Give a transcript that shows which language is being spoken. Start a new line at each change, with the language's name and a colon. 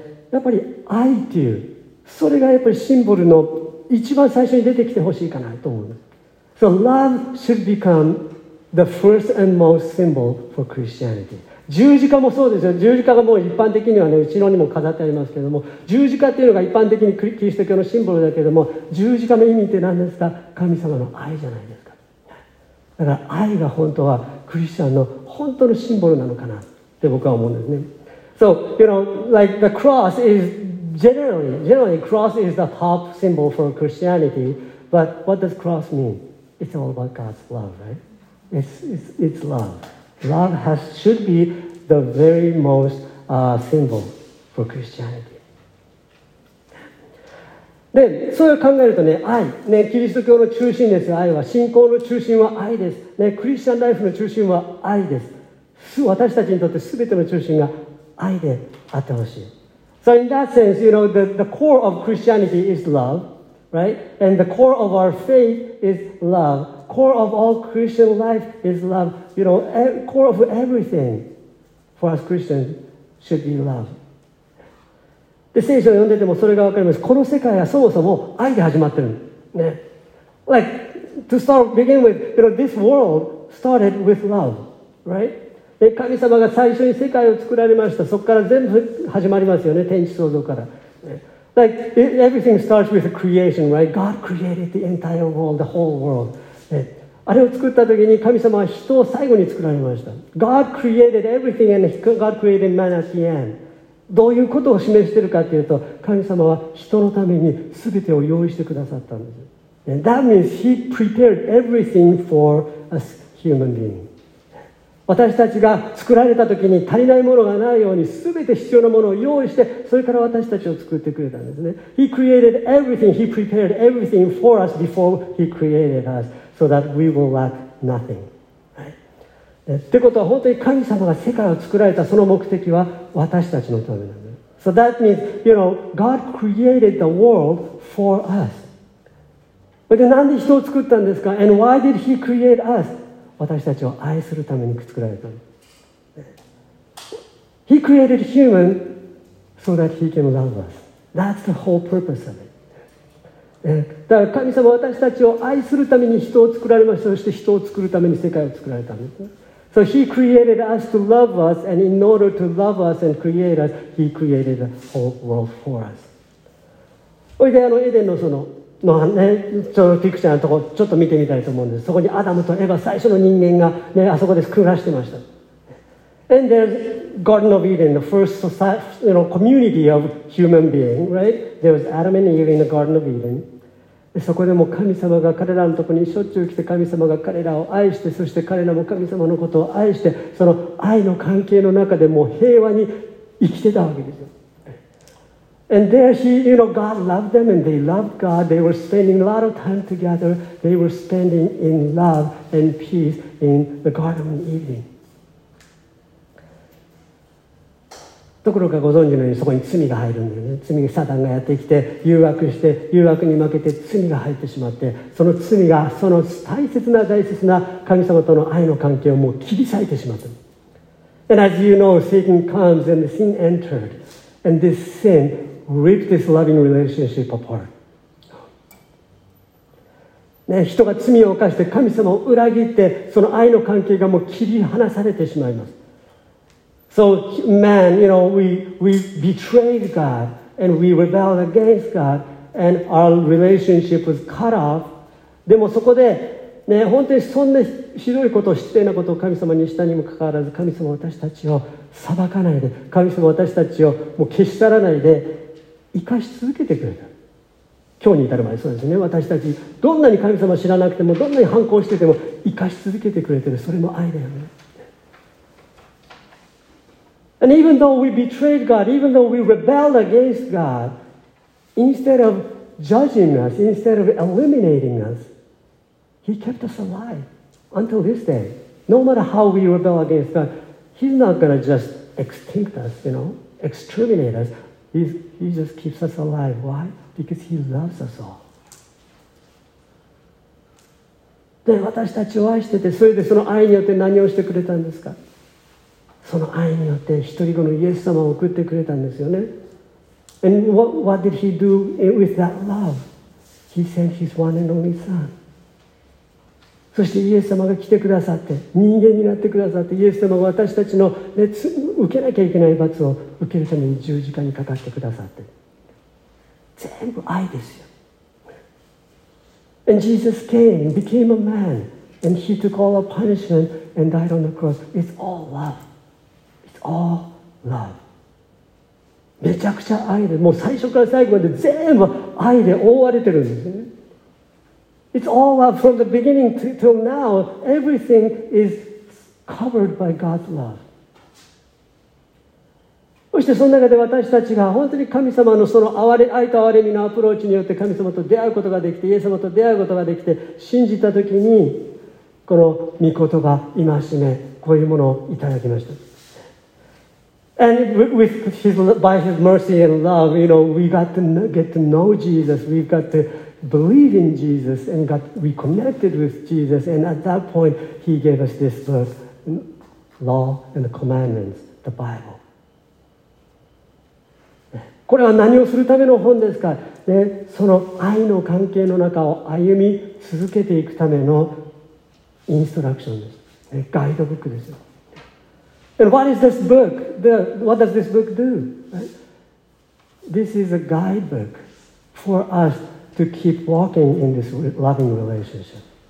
Japanese: やっぱり愛っていう、それがやっぱりシンボルの一番最初に出てきてほしいかなと思う。
English: So love should become the first and most symbol for Christianity.
Japanese: 十字架もそうですよ。十字架がもう一般的にはね、後ろにも飾ってありますけれども、十字架っていうのが一般的にキリスト教のシンボルだけれども、十字架の意味って何ですか？神様の愛じゃないですか。だから愛が本当はクリスチャンの本当のシンボルなのかなって僕は思うんですね。
English: So, you know, like the cross is generally cross is the top symbol for Christianity. But what does cross mean? It's all about God's love, right? It's love. Love should be the very most symbol for Christianity.
Japanese: で、そう考えるとね、愛。ね、キリスト教の中心ですよ、愛は。信仰の中心は愛です。ね、クリスチャンライフの中心は愛です。私たちにとって全ての中心が愛であってほしい。
English: So in that sense, you know, the core of Christianity is love, right? And the core of our faith is love. Core of all Christian life is love. You know, core of everything for us Christians should be love.
Japanese: で、聖書を読んでてもそれがわかります。この世界はそもそも愛で始まってる。ね。
English: Like, to start, begin with, you know, this world started with love, right?
Japanese: で、神様が最初に世界を作られました。そこから全部始まりますよね。天地創造から。ね、
English: like, everything starts with creation, right? God created the entire world, the whole world.、
Japanese: ね、あれを作った時に神様は人を最後に作られました。
English: God created everything and God created man at the end.
Japanese: どういうことを示しているかというと、神様は人のために全てを用意してくださったんです。
English: And、that means He prepared everything for us human beings.
Japanese: 私たちが作られた時に足りないものがないように全て必要なものを用意して、それから私たちを作ってくれたんですね。
English: He created everything, He prepared everything for us before He created us, so that we will lack nothing.
Japanese: ってことは本当に神様が世界を作られたその目的は私たちのためなんです。
English: So that means, you know, God created the world for us.
Japanese: で、なんで人を作ったんですか?
English: And why did he create us?
Japanese: 私たちを愛するために作られたの。
English: He created human so that he can love us. That's the whole purpose of it.
Japanese: だから神様は私たちを愛するために人を作られました。そして人を作るために世界を作られたんです。
English: So he created us to love us, and in order to love us and create us, he created the whole world for us.
Japanese: おいで、エデンのその、ね、ちょっとピクチャーのとこちょっと見てみたいと思うんです。そこにアダムとエヴァ、最初の人間が、ね、あそこで暮らしてました。
English: And there's Garden of Eden, the first society, you know, community of human being, right? There was Adam and Eve in the Garden of Eden.
Japanese: そこでも神様が彼らのところにしょっちゅう来て、神様が彼らを愛して、そして彼らも神様のことを愛して、その愛の関係の中でもう平和に生きてたわけですよ。
English: And there she, you know, God loved them and they loved God. They were spending a lot of time together. They were spending in love and peace in the Garden of Eden.
Japanese: ところがご存知のようにそこに罪が入るんだよね。罪がサタンがやってきて誘惑して誘惑に負けて罪が入ってしまって、その罪がその大切な大切な神様との愛の関係をもう切り裂いてしまった。
English: And as you know, Satan comes and sin entered. And this sin ripped this loving relationship apart.
Japanese: ね、人が罪を犯して神様を裏切って、その愛の関係がもう切り離されてしまいます。
English: So man, you know, we betrayed God and we rebelled against God and our relationship was cut off.
Japanese: でもそこで、ね、本当にそんなひどいことを、失礼なことを神様にしたにもかかわらず、神様私たちを裁かないで、神様私たちをもう消し去らないで生かし続けてくれた。今日に至るまで、そうですね。私たちどんなに神様知らなくても、どんなに反抗してても生かし続けてくれてる。それも愛だよね。
English: And even though we betrayed God, even though we rebelled against God, instead of judging us, instead of eliminating us, He kept us alive until this day. No matter how we rebel against God, He's not going to just extinct us, you know, exterminate us. He just keeps us alive. Why? Because He loves us all.
Japanese: で、私たちを愛してて、それでその愛によって何をしてくれたんですか? その愛によって一人子のイエス様を送ってくれたんですよね。
English: And what did he do with that love? He sent his one and only son.
Japanese: そしてイエス様が来てくださって、人間になってくださって、イエス様が私たちの、ね、受けなきゃいけない罰を受けるために十字架にかかってくださって。全部愛ですよ。
English: And Jesus came, became a man, and he took all our punishment and died on the cross. It's all love. All love.
Japanese: めちゃくちゃ愛で、もう最初から最後まで全部愛で覆われてるんですね。
English: It's all love from the beginning till now. Everything is covered by God's love.
Japanese: そしてその中で私たちが本当に神様のその憐れ、愛と憐れみのアプローチによって神様と出会うことができて、イエス様と出会うことができて、信じた時にこの御言葉、戒め、こういうものをいただきました。
English: And by his mercy and love, you know, we got to get to know Jesus. We got to believe in Jesus and got reconnected with Jesus. And at that point, he gave us this verse, law and the commandments, the Bible.
Japanese: これは何をするための本ですか?ね、その愛の関係の中を歩み続けていくためのインストラクションです。ね、ガイドブックですよ。
English: And what is this book? What does this book do? This is a guidebook for us to keep walking in this loving relationship.